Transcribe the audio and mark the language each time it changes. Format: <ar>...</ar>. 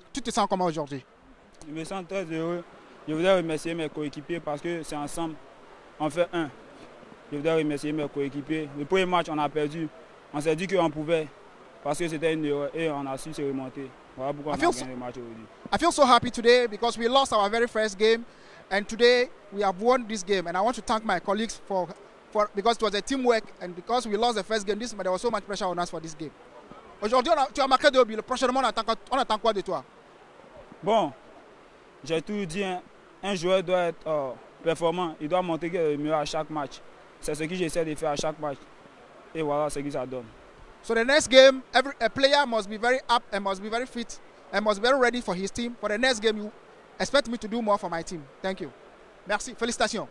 <fr>Tu te sens comment aujourd'hui? Je me sens très heureux. Je voudrais remercier mes coéquipiers parce que c'est ensemble, on fait un. Je voudrais remercier mes coéquipiers. Le premier match, on a perdu. On s'est dit qu'on pouvait parce que c'était une erreur et on a su se remonter. Voilà pourquoi on a gagné le match aujourd'hui.</fr> <en>I feel so happy today because we lost our very first game and today we have won this game. And I want to thank my colleagues for because it was a teamwork and because we lost the first game, but there was so much pressure on us for this game.</en> <fr>Aujourd'hui, tu as marqué deux buts. Le prochain match, on attend quoi de toi? Bon. J'ai toujours dit, un joueur doit être performant, il doit montrer qu'il est le meilleur à chaque match. C'est ce que j'essaie de faire à chaque match. Et voilà ce que ça donne.</fr> <en>So the next game, a player must be very up and must be very fit and must be very ready for his team. For the next game, you expect me to do more for my team. Thank you.</en> <fr>Merci. Félicitations.</fr>